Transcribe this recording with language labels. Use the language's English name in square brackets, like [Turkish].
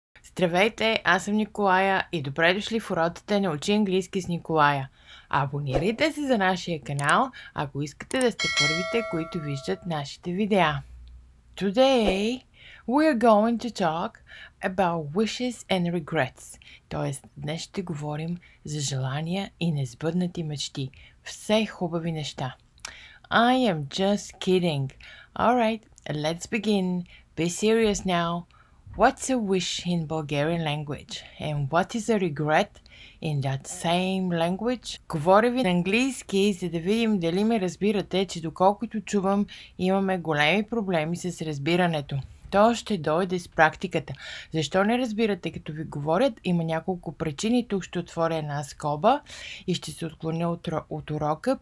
[Bulgarian] Здравейте, аз съм Николая и добре дошли в уроките на Учи английски с Николая. Абонирайте се за нашия канал, ако искате да сте първите, които виждат нашите видеа. [English] Today we are going to talk about wishes and regrets. [Bulgarian] Тоест, днес ще говорим за желания и несбъднати мечти. Все хубави неща. [English] I am just kidding. Alright, let's begin. Be serious now. What's a wish in Bulgarian language? And what is a regret in that same language? [Bulgarian] Говоря ви на английски, за да видим дали ме разбирате, че доколкото чувам, имаме големи проблеми с разбирането. То ще дойде с практиката. Защо не разбирате, като ви говорят? Има няколко причини. Тук ще отворя една скоба и ще се отклоня от урока.